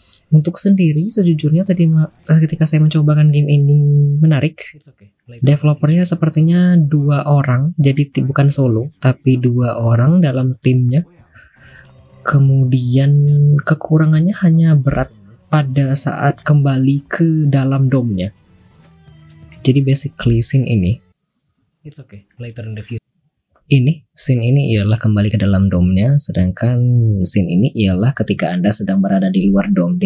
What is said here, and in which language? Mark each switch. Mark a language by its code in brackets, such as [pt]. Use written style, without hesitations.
[id] Untuk sendiri, sejujurnya tadi ketika saya mencobakan game ini, menarik. Developernya sepertinya 2 orang, jadi bukan solo, tapi 2 orang dalam timnya. Kemudian kekurangannya hanya berat pada saat kembali ke dalam dome-nya. Jadi [en] basically scene [id] ini, [en] it's okay, later in the future. [id] Ini, scene ini ialah kembali ke dalam dome-nya, sedangkan scene ini ialah ketika Anda sedang berada di luar dome.